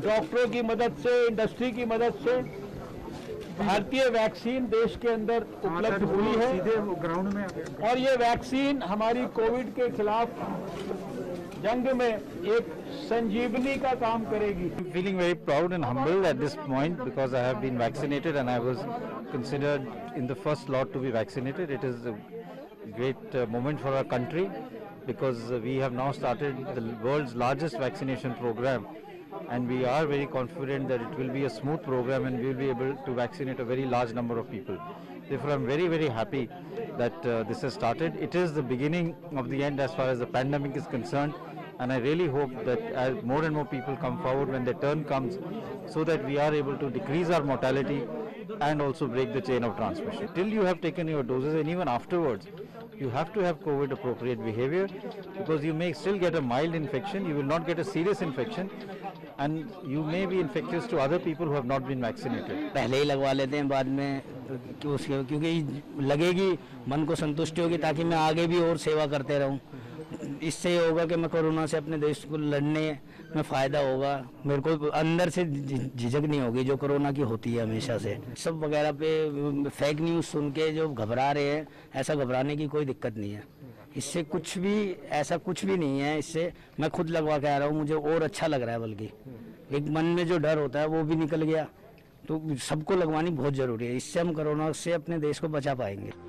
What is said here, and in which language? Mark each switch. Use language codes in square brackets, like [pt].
[hi] डॉक्टरों की मदद से, इंडस्ट्री की मदद से भारतीय वैक्सीन देश के अंदर उपलब्ध हुई है ग्राउंड में, और ये वैक्सीन हमारी कोविड के खिलाफ जंग में एक संजीवनी का काम करेगी। [en] I am feeling very proud and humbled at this point because I have been vaccinated and I was considered in the first lot to be vaccinated. It is a great moment for our country because we have now started the world's largest vaccination program and we are very confident that it will be a smooth program and we will be able to vaccinate a very large number of people. Therefore, I'm very, very happy that this has started. It is the beginning of the end as far as the pandemic is concerned. And I really hope that as more and more people come forward when their turn comes, so that we are able to decrease our mortality and also break the chain of transmission. Till you have taken your doses and even afterwards, you have to have COVID appropriate behavior, because you may still get a mild infection, you will not get a serious infection, and you may be infectious to other people who have not been vaccinated. [hi] पहले ही लगवा लेते हैं बाद में उसके क्योंकि लगेगी मन को संतुष्टि होगी ताकि मैं आगे भी और सेवा करते रहूं इससे ये होगा कि मैं कोरोना से अपने देश को लड़ने में फायदा होगा मेरे को अंदर से झिझक नहीं होगी जो कोरोना की होती है हमेशा से सब वगैरह पे फेक न्यूज़ सुन के जो घबरा रहे हैं ऐसा घबराने की कोई दिक्कत नहीं है इससे कुछ भी ऐसा कुछ भी नहीं है इससे मैं खुद लगवा के आ रहा हूँ मुझे और अच्छा लग रहा है बल्कि एक मन में जो डर होता है वो भी निकल गया तो सबको लगवानी बहुत जरूरी है इससे हम कोरोना से अपने देश को बचा पाएंगे